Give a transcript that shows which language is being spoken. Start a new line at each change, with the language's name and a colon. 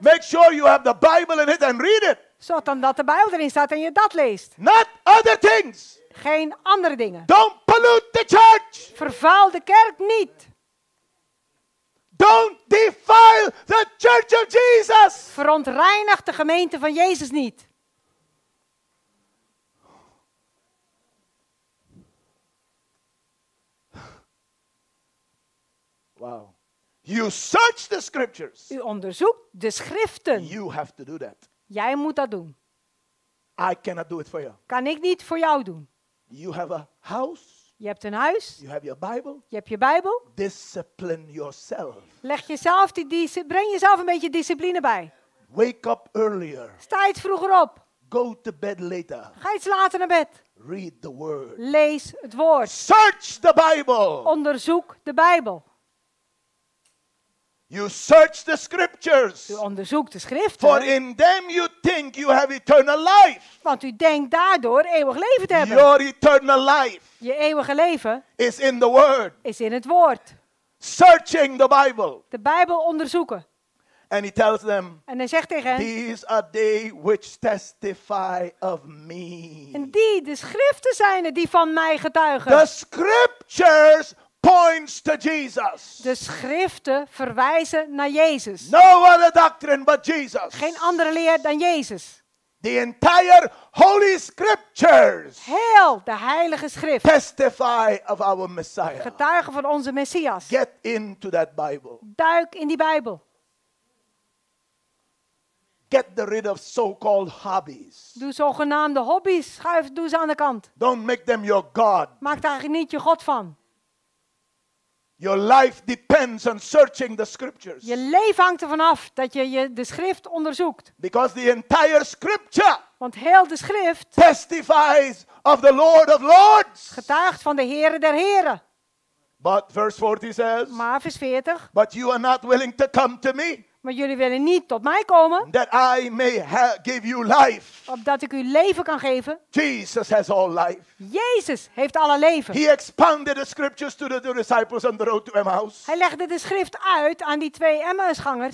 English: Make sure you have the Bible in it and read it.
Dutch: Zorg dan dat de Bijbel erin staat en je dat leest.
English: Not other things.
Dutch: Geen andere dingen.
English: Don't pollute the church.
Dutch: Vervuil de kerk niet.
English: Don't defile the church of Jesus.
Dutch: Verontreinig de gemeente van Jezus niet.
English: Wow. You search the scriptures.
Dutch: U onderzoekt de schriften.
English: You have to do that.
Dutch: Jij moet dat doen.
English: I cannot do it for you.
Dutch: Kan ik niet voor jou doen.
English: You have a house.
Dutch: Je hebt een huis.
English: You have your Bible.
Dutch: Je hebt je Bijbel.
English: Discipline yourself.
Dutch: Leg jezelf breng jezelf een beetje discipline bij.
English: Wake up earlier.
Dutch: Sta iets vroeger op.
English: Go to bed later.
Dutch: Ga iets later naar bed.
English: Read the word.
Dutch: Lees het woord.
English: Search the Bible.
Dutch: Onderzoek de Bijbel.
English: You search the scriptures.
Dutch: U onderzoekt de schriften.
English: For in them you think you have eternal life.
Dutch: Want u denkt daardoor eeuwig leven te hebben.
English: Your eternal life.
Dutch: Je eeuwige leven.
English: Is in the word.
Dutch: Is in het woord.
English: Searching the Bible.
Dutch: De Bijbel onderzoeken.
English: And he tells them.
Dutch: En hij zegt tegen hen.
English: These are they which testify of me.
Dutch: En die de schriften zijn die van mij getuigen.
English: The scriptures. Points to Jesus.
Dutch: De schriften verwijzen naar Jezus.
English: No other doctrine but Jesus.
Dutch: Geen andere leer dan Jezus.
English: The entire Holy Scriptures.
Dutch: Heel de Heilige Schrift.
English: Testify of our Messiah.
Dutch: Getuigen van onze Messias.
English: Get into that Bible.
Dutch: Duik in die Bijbel.
English: Get rid of so-called hobbies.
Dutch: Doe zogenaamde hobby's. Doe ze aan de kant.
English: Don't make them your God.
Dutch: Maak daar niet je God van.
English: Your life depends on searching the scriptures.
Dutch: Je leven hangt ervan af dat je de schrift onderzoekt.
English: Because the entire scripture.
Dutch: Want heel de schrift.
English: Testifies of the Lord of Lords.
Dutch: Getuigt van de Heere der Heren.
English: But verse 40 says.
Dutch: Maar vers 40.
English: But you are not willing to come to me.
Dutch: Maar jullie willen niet tot mij komen.
English: That I may give you life.
Dutch: Opdat ik u leven kan geven.
English: Jesus has all life.
Dutch: Jezus heeft alle leven.
English: He expounded the scriptures to the disciples on the road to Emmaus.
Dutch: Hij legde de schrift uit aan die twee Emmausgangers.